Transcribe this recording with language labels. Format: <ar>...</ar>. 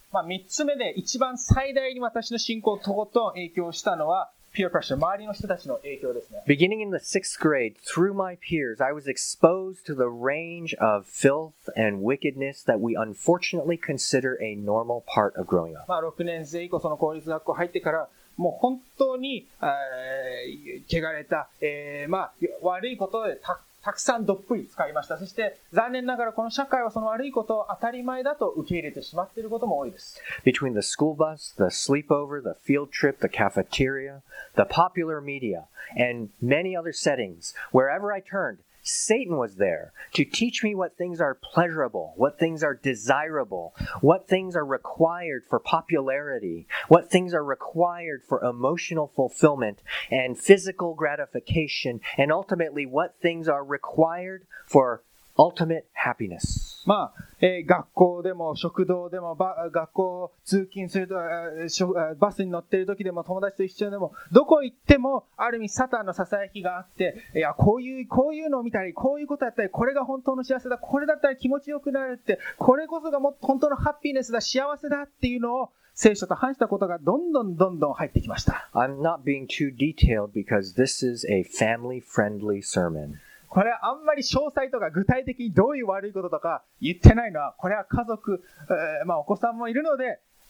<ja>まあ三つ目で一番最大に私の信仰をとことん影響したのは peer pressure、周りの人たちの影響ですね。</ja> <en>Beginning in the sixth grade, through my peers, I was exposed to the range of filth and wickedness that we unfortunately consider a normal part of growing up.</en> <ja>まあ6年生以降その公立学校入ってから、もう本当に汚れた、まあ悪いことでたくさんどっぷり使いました。そして残念ながらこの社会はその悪いことを当たり前だと受け入れてしまっていることも多いです。</ja> <en>Between the school bus, the sleepover, the field trip, the cafeteria, the popular media, and many other settings, wherever I turned, Satan was there to teach me what things are pleasurable, what things are desirable, what things are required for popularity, what things are required for emotional fulfillment and physical gratification, and ultimately what things are required for ultimate happiness.</en> <ja>まあ、学校でも食堂でも学校通勤するとバスに乗っている時でも友達と一緒でもどこ行ってもある意味サタンのささやきがあって、いやこういうのを見たりこういうことやったり、これが本当の幸せだ、これだったら気持ちよくなるって、これこそがもっと本当のハッピーネスだ、幸せだっていうのを聖書と反したことがどんどんどんどん入ってきました。</ja> <en>I'm not being too detailed because this is a family friendly sermon.</en> <ja>これはあんまり詳細とか具体的にどういう悪いこととか言ってないのは、これは家族、まあお子さんもいるので、</ja>